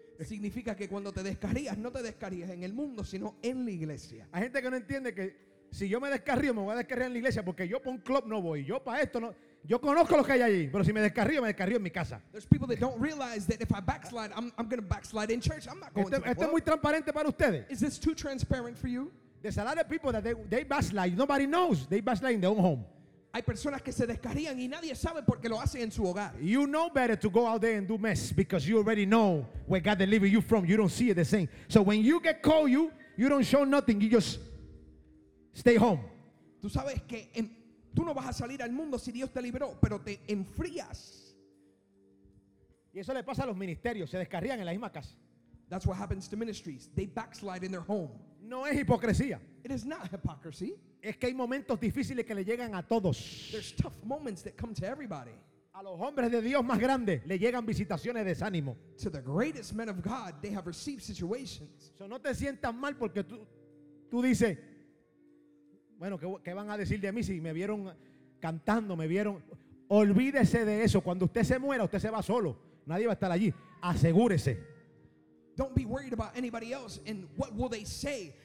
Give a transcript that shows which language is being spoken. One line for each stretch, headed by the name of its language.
Spanish: Significa que cuando te descarrías, no te descarrías en el mundo, sino en la iglesia. Hay gente que no entiende que si yo me descarrío, me voy a descarriar en la iglesia porque yo para un club no voy. Yo para esto no. Yo conozco lo que hay allí, pero si me descarrío, me descarrío en mi casa.
English: There's people that don't realize that if I backslide, I'm going to backslide in church. I'm not going to.
Spanish: Esto es muy transparente para ustedes.
English: Is this too transparent for you? There's a lot of people that they backslide. Nobody knows. They backslide in their own home.
Spanish: Hay personas que se descarrían y nadie sabe porque lo hacen en su hogar.
English: You know better to go out there and do mess because you already know where God delivered you from. You don't see it the same. So when you get called, you don't show nothing. You just stay home.
Spanish: Tú sabes que tú no vas a salir al mundo si Dios te liberó, pero te enfrías. Y eso le pasa a los ministerios, se descarrían en la misma casa.
English: That's what happens to ministries. They backslide in their home.
Spanish: No es hipocresía.
English: It is not hypocrisy.
Spanish: Es que hay momentos difíciles que le llegan a todos.
English: There's tough moments that come to everybody.
Spanish: A los hombres de Dios más grandes le llegan visitaciones de desánimo.
English: To the greatest men of God, they have received situations.
Spanish: So no te sientas mal porque tú dices, bueno, ¿qué van a decir de mí si me vieron cantando, me vieron? Olvídese de eso. Cuando usted se muera, usted se va solo. Nadie va a estar allí. Asegúrese.
English: Don't be worried about anybody else and what will they say.